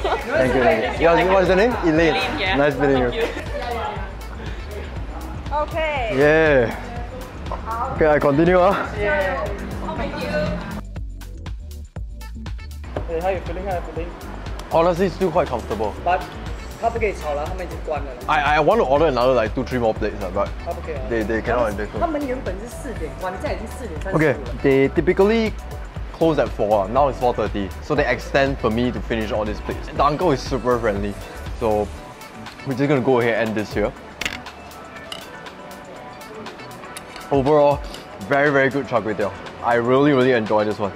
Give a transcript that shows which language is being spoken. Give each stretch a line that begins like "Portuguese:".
English: Thank you. Yeah, what's your name? Elaine. Nice meeting you. Okay. Yeah. Okay, I continue. Yeah. Thank you. Hey, how you feeling? How you feeling? Honestly, still quite comfortable.
Chinese: But 他不可以炒了，他们已经关了。
English: I want to order another like 2-3 more plates, but
Chinese: 他不可以。
English: They cannot.
Chinese: 他们原本是四点关，现在已经四点三十了。
English: Okay, they typically close at 4. Now it's 4:30, so they extend for me to finish all these plates. The uncle is super friendly, so we're just gonna go ahead and end this here. Overall, very very good char kway teow. I really really enjoy this one.